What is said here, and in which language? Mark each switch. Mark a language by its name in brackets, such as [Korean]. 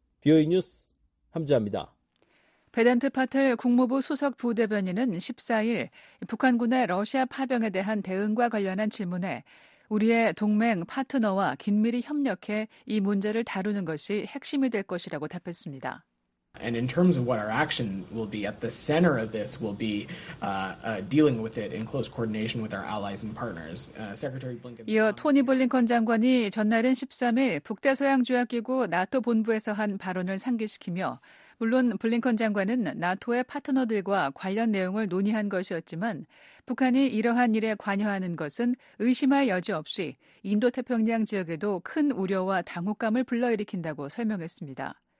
[Korean] BOA 뉴스 함지아입니다. 베단트 파텔 국무부 수석 부대변인은 14일 북한군의 러시아 파병에 대한 대응과 관련한 질문에 우리의 동맹 파트너와 긴밀히 협력해 이 문제를 다루는 것이 핵심이 될 것이라고 답했습니다. [English] And in terms of what our action will be at the center of this will be dealing with it in close coordination with our allies and partners. Secretary Blinken. [Korean] 이어 토니 블링컨 장관이 전날인 13일 북대서양 조약기구 나토 본부에서 한 발언을 상기시키며 물론 블링컨 장관은 나토의 파트너들과 관련 내용을 논의한 것이었지만 북한이 이러한 일에 관여하는 것은 의심할 여지 없이 인도태평양 지역에도 큰 우려와 당혹감을 불러일으킨다고 설명했습니다.